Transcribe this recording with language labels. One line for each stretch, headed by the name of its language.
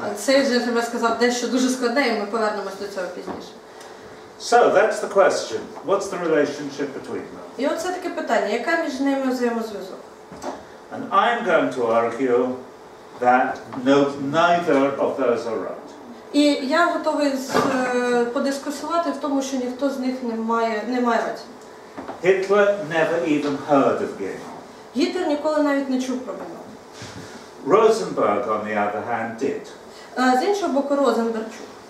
Ukrainian: Цей джентльмен сказав дещо дуже складне, і ми повернемось до цього пізніше.
English: So, that's the question. What's the relationship between them?
Ukrainian: І от це таке питання, яка між ними взаємозв'язок?
English: And I'm going to argue that neither of those are right.
Ukrainian: І я готовий подискусувати в тому, що ніхто з них не має раді.
English: Hitler never even heard of Genon.
Ukrainian: Гітлер ніколи навіть не чув про Генон.
English: Розенберг, on the other hand, did.
Ukrainian: З іншого боку, Розенберг чув.